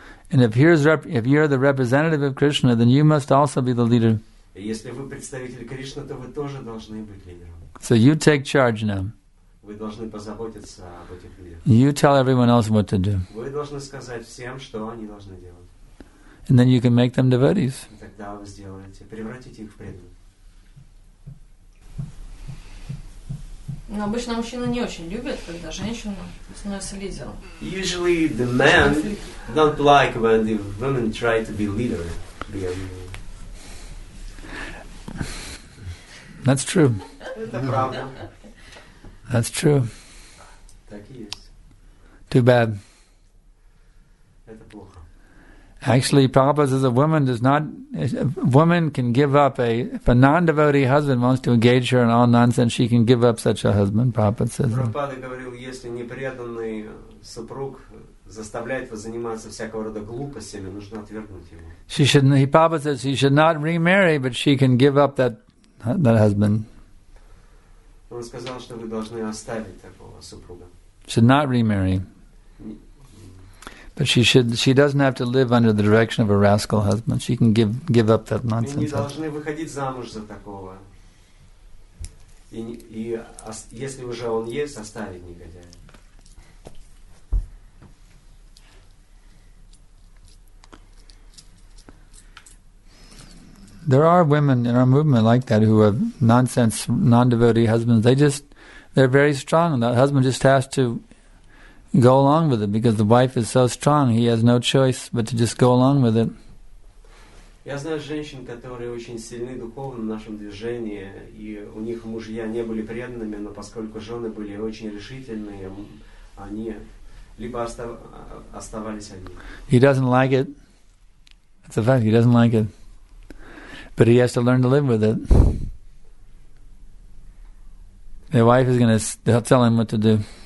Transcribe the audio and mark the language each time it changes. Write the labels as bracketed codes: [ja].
[en] And if you're the representative of Krishna, then you must also be the leader. [ru] Если вы представитель Кришны, то вы тоже должны быть лидером. [en] So you take charge now. [ru] Вы должны позаботиться об этих людях. [en] You tell everyone else what to do. [ru] Вы должны сказать всем, что они должны делать. [en] And then you can make them devotees. [ru] И тогда вы сделаете, превратите их в преданных. Но обычно мужчины не очень любят, когда женщина становится лидером. [en] Usually the men don't like when the women try to be leader. That's true. That's true. [ru] Так и есть. [en] Too bad. [ru] Это плохо. [en] Actually, Prabhupada says a woman can give up if a non-devotee husband wants to engage her in all nonsense, she can give up such a husband, Prabhupada says. [ru] Prabhupada говорил, если непреданный супруг заставляет вас заниматься всякого рода глупостями, нужно отвергнуть его. [en] She should. Prabhupada says she should not remarry, but she can give up that husband. [ru] Он сказал, что вы должны оставить такого супруга. [en] Should not remarry. But she should. She doesn't have to live under the direction of a rascal husband. She can give up that nonsense. [ru] Вы не должны выходить замуж за такого И если уже он есть, оставить негодяя. [en] There are women in our movement like that who have nonsense, non-devotee husbands. They're very strong. The husband just has to go along with it because the wife is so strong. He has no choice but to just go along with it. [ru] Я знаю женщин, которые очень сильны духовно в нашем движении, и у них мужья не были преданными, но поскольку жены были очень решительные, они либо оставались одни. [en] He doesn't like it. That's a fact. He doesn't like it. But he has to learn to live with it. The wife is going to tell him what to do.